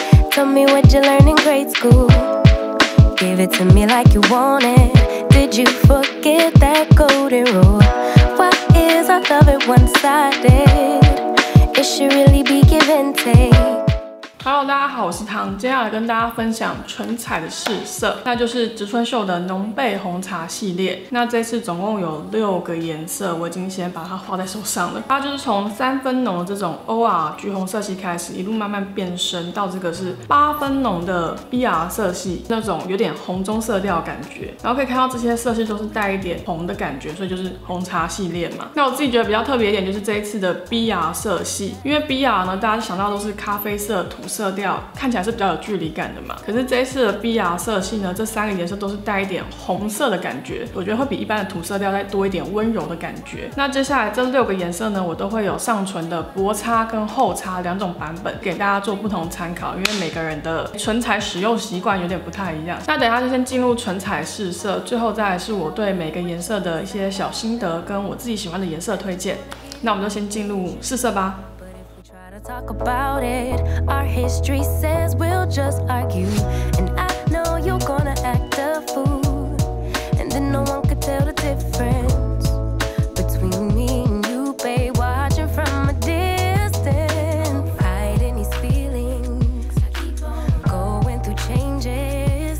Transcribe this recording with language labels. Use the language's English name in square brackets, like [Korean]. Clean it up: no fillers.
[English] Tell me what you learned in grade school. Give it to me like you want it. Did you forget that golden rule? Why is our love one-sided? It should really be give and take. [Chinese] Hello， 大家好，我是唐，接下来跟大家分享唇彩的试色，那就是植村秀的浓焙红茶系列。那这次总共有六个颜色，我已经先把它画在手上了。它就是从三分浓的这种 OR 橘红色系开始，一路慢慢变深到这个是八分浓的 BR 色系，那种有点红棕色调的感觉。然后可以看到这些色系都是带一点红的感觉，所以就是红茶系列嘛。那我自己觉得比较特别一点就是这一次的 BR 色系，因为 BR 呢，大家想到都是咖啡色土色调看起来是比较有距离感的嘛，可是这一次的 BR 色系呢，这三个颜色都是带一点红色的感觉，我觉得会比一般的土色调再多一点温柔的感觉。那接下来这六个颜色呢，我都会有上唇的薄擦跟厚擦两种版本给大家做不同参考，因为每个人的唇彩使用习惯有点不太一样。那等一下就先进入唇彩试色，最后再来是我对每个颜色的一些小心得跟我自己喜欢的颜色推荐。那我们就先进入试色吧。 [English] Talk about it. Our history says we'll just argue. And I know you're gonna act a fool. And then no one could tell the difference between me and you, babe. Watching from a distance, hiding these feelings, going through changes.